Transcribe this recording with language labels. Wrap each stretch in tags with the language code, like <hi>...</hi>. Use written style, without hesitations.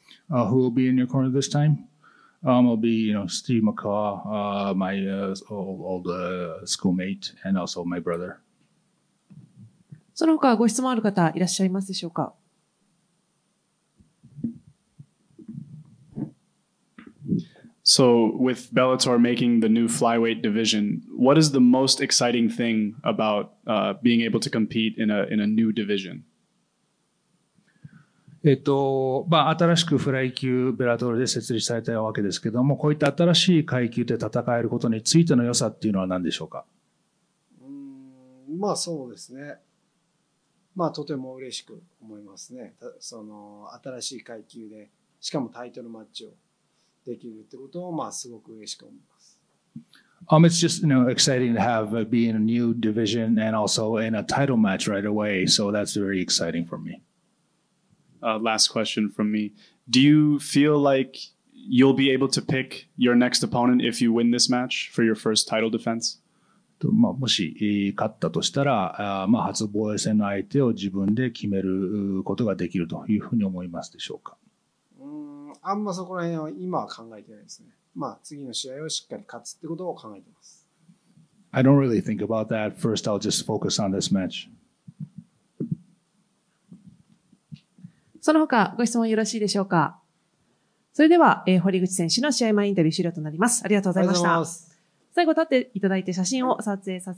<en>Who will be in your corner this time? Will be, you know, Steve McCaw, my old schoolmate, and also my brother.</en> <ja>その他ご質問ある方いらっしゃいますでしょうか。</ja> <en>So, with Bellator making the new flyweight division, what is the most exciting thing about being able to compete in a new division?</en> <ja>まあ、新しくフライ級ベラトルで設立されたわけですけども、こういった新しい階級で戦えることについての良さっていうのは何でしょうか。まあそうですね。まあとても嬉しく思いますね。その新しい階級で、しかもタイトルマッチをできるってことを、まあすごく嬉しく思います。</ja> <en>It's just, you know, exciting to be in a new division and also in a title match right away. So that's very exciting for me. Last question from me. Do you feel like you'll be able to pick your next opponent if you win this match for your first title defense?</en> <ja>まあ、もし勝ったとしたら、まあ、初防衛戦の相手を自分で決めることができるというふうに思いますでしょうか。あんまそこら辺は今は考えてないですね。まあ、次の試合をしっかり勝つってことを考えてます。</ja> <en>I don't really think about that. First, I'll just focus on this match.</en> <ja>その他ご質問よろしいでしょうか。それでは、堀口選手の試合前インタビュー終了となります。ありがとうございました。最後立っていただいて写真を撮影させて</ja>